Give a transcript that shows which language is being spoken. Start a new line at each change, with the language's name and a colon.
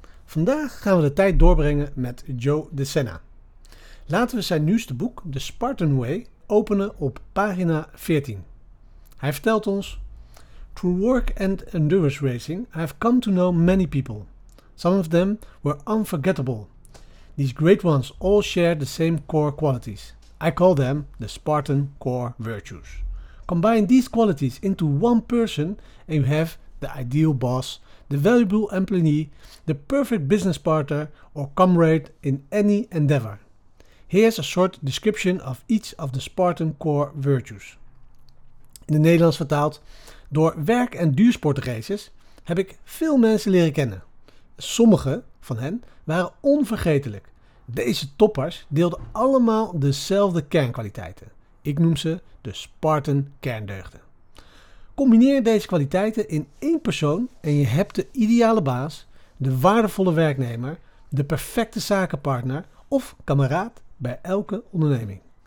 Dutch: Vandaag gaan we de tijd doorbrengen met Joe De Senna. Laten we zijn nieuwste boek, The Spartan Way, openen op pagina 14. Hij vertelt ons:
English: "Through work and endurance racing, I have come to know many people. Some of them were unforgettable. These great ones all share the same core qualities. I call them the Spartan core virtues. Combine these qualities into one person and you have the ideal boss, the valuable employee, the perfect business partner or comrade in any endeavor. Here's a short description of each of the Spartan core virtues."
Dutch: In het Nederlands vertaald: door werk- en duursportraces heb ik veel mensen leren kennen. Sommige van hen waren onvergetelijk. Deze toppers deelden allemaal dezelfde kernkwaliteiten. Ik noem ze de Spartan kerndeugden. Combineer deze kwaliteiten in één persoon en je hebt de ideale baas, de waardevolle werknemer, de perfecte zakenpartner of kameraad bij elke onderneming.